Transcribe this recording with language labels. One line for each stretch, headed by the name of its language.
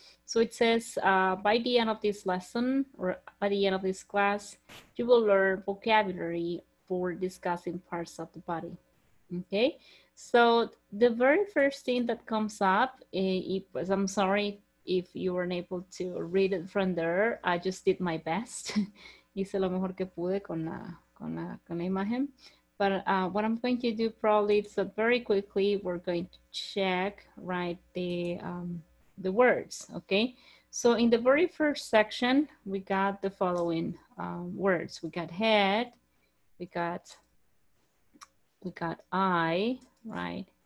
English: So it says, by the end of this lesson, or by the end of this class, you will learn vocabulary for discussing parts of the body. Okay, so the very first thing that comes up, I'm sorry if you weren't able to read it from there. I just did my best.
Spanish: Hice lo mejor que pude con la imagen.
English: But what I'm going to do probably is that very quickly, we're going to check, right, the words, okay? So in the very first section, we got the following words. We got head, we got eye, right?